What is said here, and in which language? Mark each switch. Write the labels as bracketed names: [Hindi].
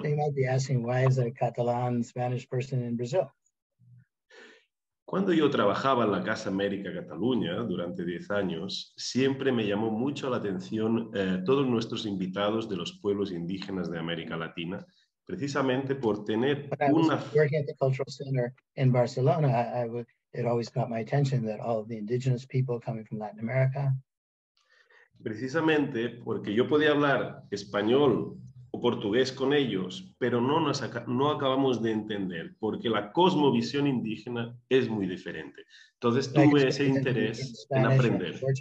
[English] They might be asking, why is a Catalan Spanish person in Brazil? [Spanish] Cuando yo trabajaba en la Casa América Cataluña durante 10 años, siempre me llamó mucho la atención todos nuestros invitados de los pueblos indígenas de América Latina, precisamente por tener una... [English] Working at the Cultural Center in Barcelona, it always caught my attention that all of the indigenous people coming from Latin America... [Spanish] Precisamente porque yo podía hablar español o portugués con ellos, pero no acabamos de entender, porque la cosmovisión indígena es muy diferente. Entonces tuve ese interés en aprender.